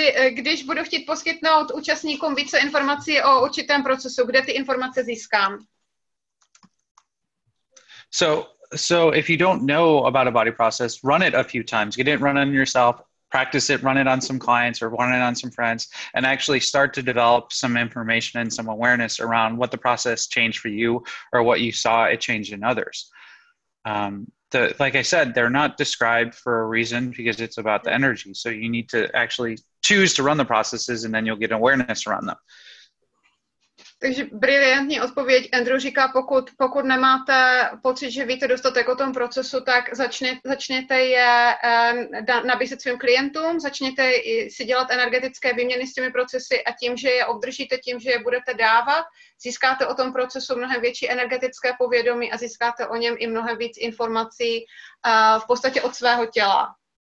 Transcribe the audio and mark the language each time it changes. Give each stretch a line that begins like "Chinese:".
Czech: Když budu chtít poskytnout účastníkům více informací o určitém procesu, kde ty informace získám?
English: So if you don't know about a body process, run it a few times. Get it run on yourself, practice it, run it on some clients or run it on some friends, and actually start to develop some information and some awareness around what the process changed for you or what you saw it changed in others. Like I said, they're not described for a reason because it's about the energy. So you need to actually choose to run the processes and then you'll get awareness around them.
Czech: Takže brilliantní odpověď. Andrew říká, pokud nemáte pocit, že víte dostatek o tom procesu, tak začněte je nabízet svým klientům, začněte si dělat energetické výměny s těmi procesy a tím, že je obdržíte, tím, že je budete dávat, získáte o tom procesu mnohem větší energetické povědomí a získáte o něm i mnohem víc informací v podstatě od svého těla.